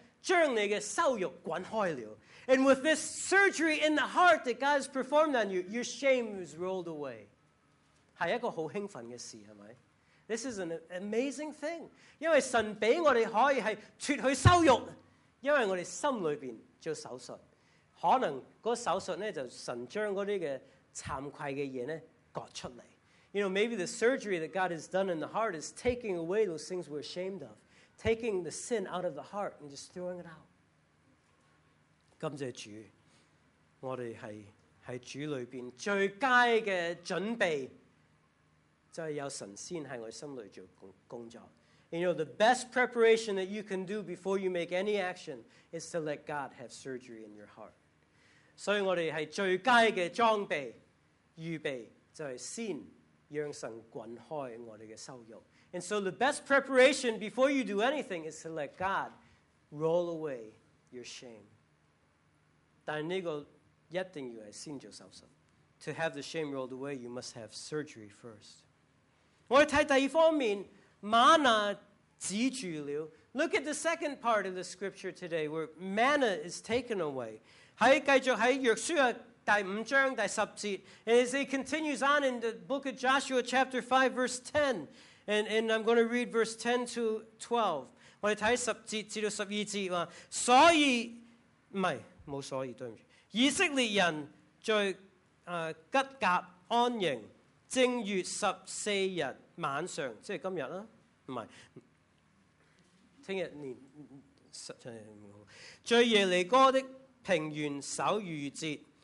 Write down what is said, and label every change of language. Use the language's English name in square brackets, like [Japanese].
[Chinese] 这个心里边的手术呢，将你的羞辱滚开了。 [English] And with this surgery in the heart that God has performed on you, your shame is rolled away. [Chinese] 是一个很兴奋的事，是吗？ [English] This is an amazing thing. [Chinese] 因为神给我们可以是脱去羞辱。因为我们心里边做手术，可能那个手术呢，就神将那些惭愧的东西呢割出来。 [English] You know, maybe the surgery that God has done in the heart is taking away those things we're ashamed of, taking the sin out of the heart and just throwing it out. [Chinese] 感谢主，我们是主里边最佳的准备，就是有神先在我心里做工作。 [English] You know, the best preparation that you can do before you make any action is to let God have surgery in your heart. [Chinese] 所以我们是最佳的装备预备，就是先让神滚开我们的羞辱。 [English] And so the best preparation before you do anything is to let God roll away your shame. [Chinese] 但这个一定要是先做手术。 [English] To have the shame rolled away, you must have surgery first. [Chinese] 我们看第二方面，玛纳止住了。 [English] Look at the second part of the scripture today where manna is taken away. [Chinese] 在继续在约书亚第五章第十节， [English] and as he continues on in the book of Joshua chapter 5 verse 10, and I'm going to read verse 10 to 12. [Chinese] 我们看十节至到十二节，所以，不是，没所以，对不起。以色列人在吉甲安营，正月十四日晚上，即是今日啦，不是，听日年十，在耶利哥的平原守逾越节。